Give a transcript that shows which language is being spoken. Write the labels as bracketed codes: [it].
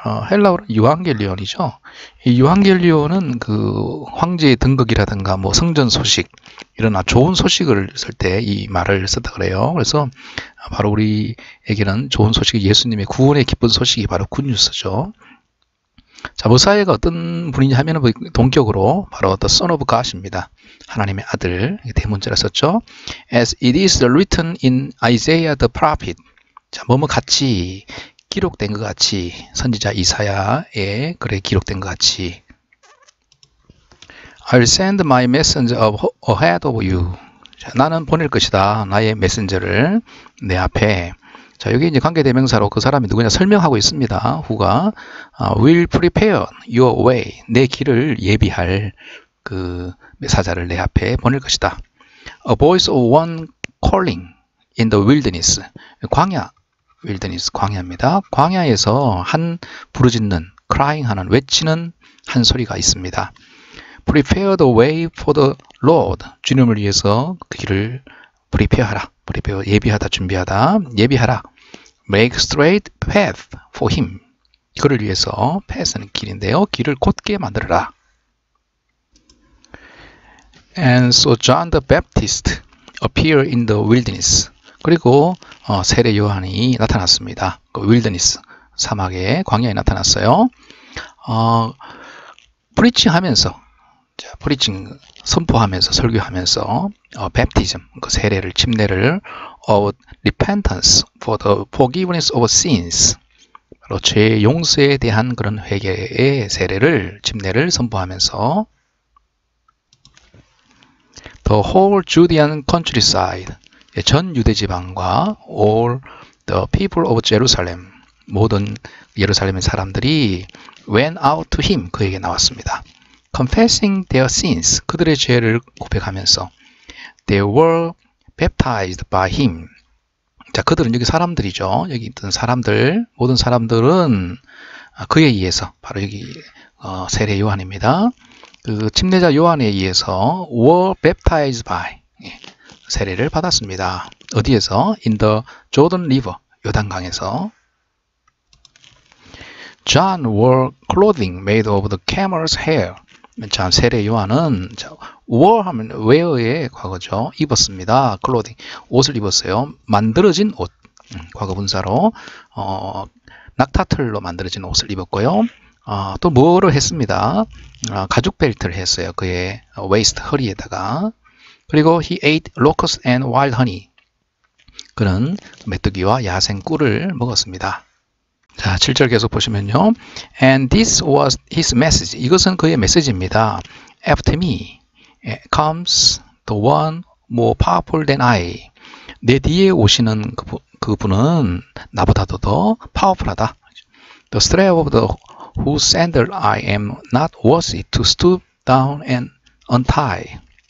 [ko] 헬라어로 유한겔리온이죠. 이 유한겔리온은 그 황제의 등극이라든가 뭐 성전 소식 이런 좋은 소식을 쓸때이 말을 썼다 그래요. 그래서 바로 우리에게는 좋은 소식이 예수님의 구원의 기쁜 소식이 바로 굿뉴스죠. 자, 모사야가 어떤 분이냐 하면 동격으로 바로 [en] The Son of God [ko] 입니다. 하나님의 아들 대문자를 썼죠. [en] As it is written in Isaiah the prophet. [ko] 자, 뭐뭐 같이 기록된 것 같이 선지자 이사야의 글에 기록된 것 같이 [en] I'll send my messenger ahead of you. [ko] 자, 나는 보낼 것이다. 나의 메신저를 내 앞에. 자, 여기 이제 관계 대명사로 그 사람이 누구냐 설명하고 있습니다. [en] Who가 will prepare your way. [ko] 내 길을 예비할 그 사자를 내 앞에 보낼 것이다. [en] A voice of one calling in the wilderness. [ko] 광야. Wilderness, 광야입니다. 광야에서 한 부르짖는, crying 하는, 외치는 한 소리가 있습니다. [en] Prepare the way for the Lord. [ko] 주님을 위해서 그 길을 [en] prepare하라. Prepare, [ko] 예비하다, 준비하다, 예비하라. [en] Make straight path for him. [ko] 그를 위해서 path는 길인데요. 길을 곧게 만들어라. [en] And so John the Baptist appear in the wilderness. [ko] 그리고 세례 요한이 나타났습니다. 그 윌더니스 사막의 광야에 나타났어요. preaching 하면서, 자, preaching 선포하면서 설교하면서 baptism 그 세례를 침례를 [en] of repentance for the forgiveness of sins [ko] 바로 죄 용서에 대한 그런 회개의 세례를 침례를 선포하면서 [en] the whole Judean countryside [ko] 전 유대 지방과 [en] all the people of Jerusalem, [ko] 모든 예루살렘의 사람들이 [en] went out to him, [ko] 그에게 나왔습니다. [en] Confessing their sins, [ko] 그들의 죄를 고백하면서 [en] they were baptized by him. [ko] 자, 그들은 여기 사람들이죠. 여기 있던 사람들, 모든 사람들은 그에 의해서, 바로 여기 세례 요한입니다. 그 침례자 요한에 의해서 [en] were baptized by. [ko] 세례를 받았습니다. 어디에서? [en] In the Jordan River, [ko] 요단강에서. [en] John wore clothing made of the camel's hair. [ko] 자, 세례 요한은 자, wore 하면 wear의 과거죠. 입었습니다. clothing 옷을 입었어요. 만들어진 옷. 과거 분사로 낙타털로 만들어진 옷을 입었고요. 또 뭐를 했습니다. 가죽 벨트를 했어요. 그의 waist 허리에다가. [en] 그리고 he ate locusts and wild honey. [ko] 그는 메뚜기와 야생 꿀을 먹었습니다. 자, 7절 계속 보시면요. [en] And this was his message. [ko] 이것은 그의 메시지입니다. [en] After me comes the one more powerful than I. [ko] 내 뒤에 오시는 그분은 나보다도 더 파워풀하다. [en] The strap of the whose sandal I am not worthy to stoop down and untie.